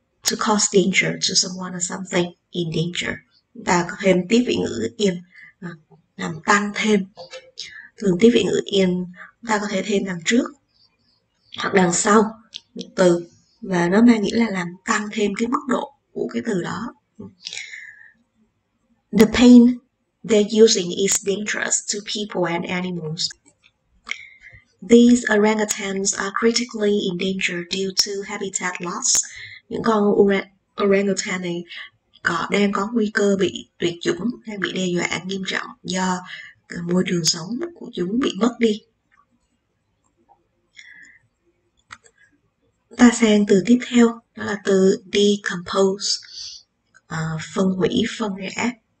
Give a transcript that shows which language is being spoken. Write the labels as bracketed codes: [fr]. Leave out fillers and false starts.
[en] To cause danger to someone or something, endanger. [vi] Ta có thêm tiếp vị ngữ in làm tăng thêm thường tiếp vị ngữ in ta có thể thêm đằng trước hoặc đằng sau một từ và nó mang nghĩa là làm tăng thêm cái mức độ của cái từ đó. [en] The pain they're using is dangerous to people and animals. These orangutans are critically endangered due to habitat loss. [vi] Những con orangutan này có đang có nguy cơ bị tuyệt chủng, đang bị đe dọa nghiêm trọng do môi trường sống của chúng bị mất đi. Ta sang từ tiếp theo, đó là từ decompose, phân hủy, phân rã.